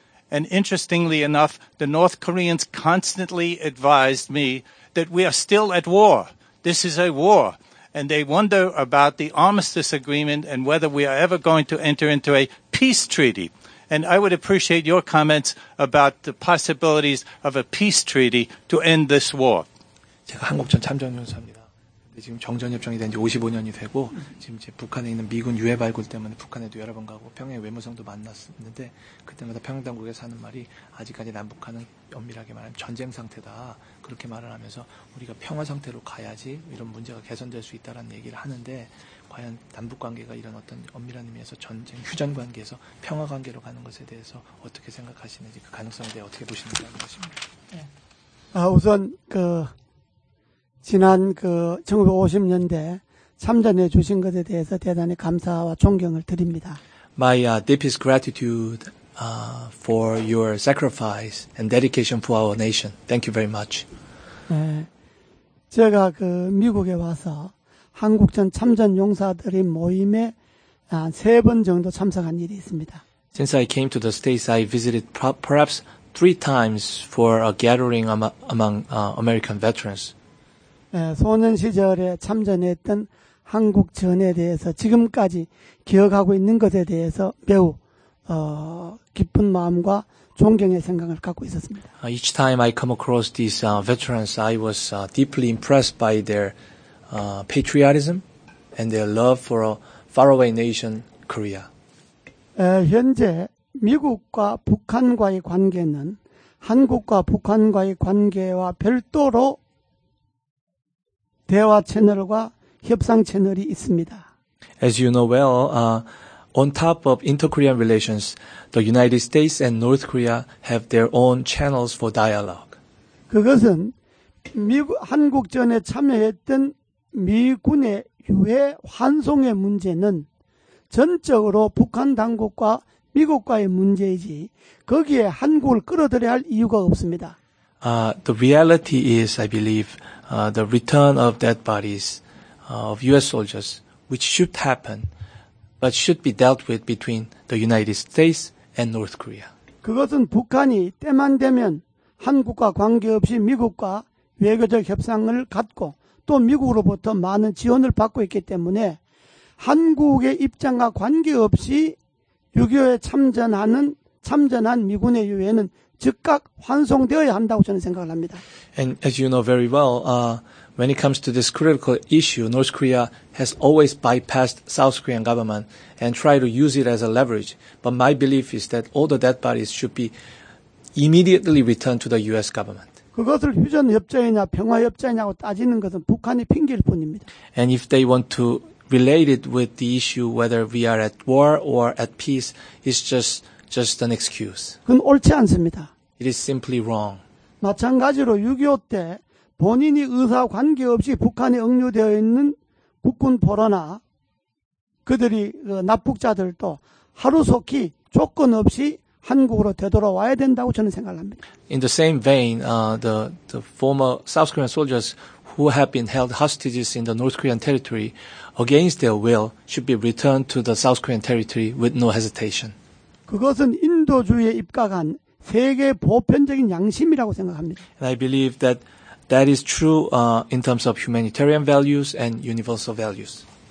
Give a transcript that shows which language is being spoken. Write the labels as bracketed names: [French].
[English] And interestingly enough, the North Koreans constantly advised me that we are still at war. This is a war. And they wonder about the armistice agreement and whether we are ever going to enter into a peace treaty. And I would appreciate your comments about the possibilities of a peace treaty to end this war. [Korean] 제가 한국 전 참전용사입니다. 지금 정전협정이 된 지 55년이 되고 지금 이제 북한에 있는 미군 유해 발굴 때문에 북한에도 여러 번 가고 평양 외무성도 만났었는데 그때마다 평양 당국에서 하는 말이 아직까지 남북한은 엄밀하게 말하면 전쟁 상태다 그렇게 말을 하면서 우리가 평화 상태로 가야지 이런 문제가 개선될 수 있다라는 얘기를 하는데 과연 남북 관계가 이런 어떤 엄밀한 의미에서 전쟁 휴전 관계에서 평화 관계로 가는 것에 대해서 어떻게 생각하시는지 그 가능성에 대해 어떻게 보시는지라는 것입니다. 아 우선 그 지난 그 1950년대 참전해 주신 것에 대해서 대단히 감사와 존경을 드립니다. [English] My deepest gratitude for your sacrifice and dedication for our nation. Thank you very much. [Korean] 네, 제가 그 미국에 와서 한국전 참전 용사들이 모임에 세 번 정도 참석한 일이 있습니다. [English] Since I came to the States, I visited perhaps three times for a gathering among American veterans. [Korean] 예, 소년 시절에 참전했던 한국전에 대해서 지금까지 기억하고 있는 것에 대해서 매우 기쁜 마음과 존경의 생각을 갖고 있었습니다. [English] Each time I come across these veterans, I was deeply impressed by their patriotism and their love for a faraway nation, Korea. [Korean] 예, 현재 미국과 북한과의 관계는 한국과 북한과의 관계와 별도로 대화 채널과 협상 채널이 있습니다. [English] As you know well, on top of inter-Korean relations, the United States and North Korea have their own channels for dialogue. [Korean] 그것은 미국 한국전에 참여했던 미군의 유해 환송의 문제는 전적으로 북한 당국과 미국과의 문제이지 거기에 한국을 끌어들여야 할 이유가 없습니다. [English] The reality is, I believe, the return of dead bodies of U.S. soldiers, which should happen, but should be dealt with between the United States and North Korea. [Korean] 그것은 북한이 때만 되면 한국과 관계없이 미국과 외교적 협상을 갖고 또 미국으로부터 많은 지원을 받고 있기 때문에 한국의 입장과 관계없이 6.25에 참전한 미군의 유해는 즉각 환송되어야 한다고 저는 생각을 합니다. [English] And as you know very well, when it comes to this critical issue, North Korea has always bypassed South Korean government and tried to use it as a leverage. But my belief is that all the dead bodies should be immediately returned to the U.S. government. [Korean] 그것을 휴전 협정이냐 평화 협정이냐고 따지는 것은 북한의 핑계일 뿐입니다. [English] And if they want to relate it with the issue whether we are at war or at peace, it's just an excuse. [Korean] 그건 옳지 않습니다. [English] It is simply wrong. [Korean] 마찬가지로 6.25 때 본인이 의사 관계없이 북한에 억류되어 있는 국군 포로나 그들이 그 납북자들도 하루속히 조건 없이 한국으로 되돌아와야 된다고 저는 생각합니다. [English] In the same vein, the former South Korean soldiers who have been held hostages in the North Korean territory against their will should be returned to the South Korean territory with no hesitation. [Korean] 그것은 인도주의에 입각한 세계 보편적인 양심이라고 생각합니다. [English] And I believe that that is true in terms of humanitarian values and universal values.